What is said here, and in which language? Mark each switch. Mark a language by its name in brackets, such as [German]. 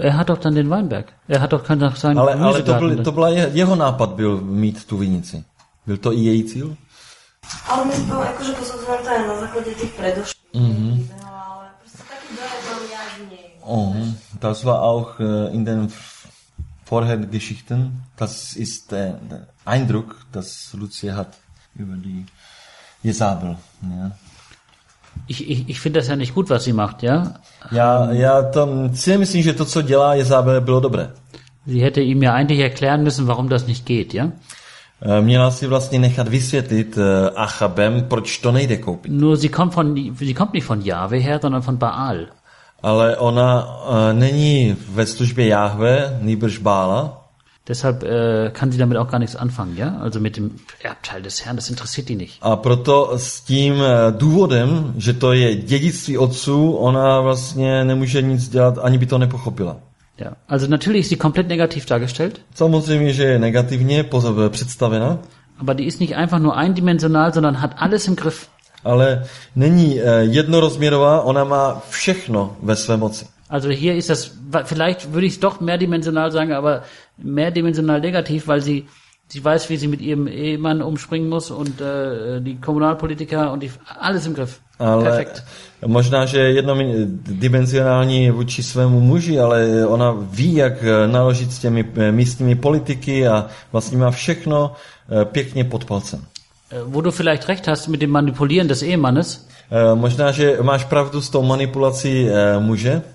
[German] Er hat doch dann den Weinberg. Er hat doch kann doch sein. [Czech] Ale to byl jeho nápad byl mít tu vinici. Byl to i její cíl? Ale my jsme jakože pozorovali to na základě těch předošlých. Mm-hmm. Ale prostě taky bylo to nějak z něj. [German] Das war auch in den Vorhergeschichten. Das ist der Eindruck, das Lucie hat über die Jezabel. Ja. Ich finde das ja nicht gut, was sie macht, ja? [Czech] Ja, tam si myslím, že to, co dělá Jezabel, bylo dobré. [German] Sie hätte ihm ja eigentlich erklären müssen, warum das nicht geht, ja? [Czech] Měla si vlastně nechat vysvětlit Achabem, proč to nejde koupit. [German] No, sie kommt nicht von Jahwe her, sondern von Baal. [Czech] Ale ona není ve službě Jahwe, nýbrž Baala. [German] Deshalb kann sie damit auch gar nichts anfangen, ja? Also mit dem Erbteil des Herrn, das interessiert die nicht. [Czech] A proto s tím důvodem, že to je dědictví otců, ona vlastně nemůže nic dělat, ani by to nepochopila. [German] Ja, also natürlich ist sie komplett negativ dargestellt. [Czech] Samozřejmě, že je negativně představena. [German] Aber die ist nicht einfach nur eindimensional, sondern hat alles im Griff. [Czech] Ale není jednorozměrová, ona má všechno ve své moci. [German] Also hier ist das, vielleicht würde ich es doch mehrdimensional sagen, aber mehrdimensional negativ, weil sie Sie weiß, wie sie mit ihrem Ehemann umspringen muss und die Kommunalpolitiker und die, alles im Griff. [Czech] Ale [German] perfekt. [Czech] Možná, že je jednodimenzionální vůči svému muži, ale ona ví, jak naložit s těmi místními politiky a vlastně má všechno pěkně pod palcem. [German] Wo du vielleicht recht hast mit dem Manipulieren des Ehemannes. [Czech] Možná, že máš pravdu s tou manipulací muže.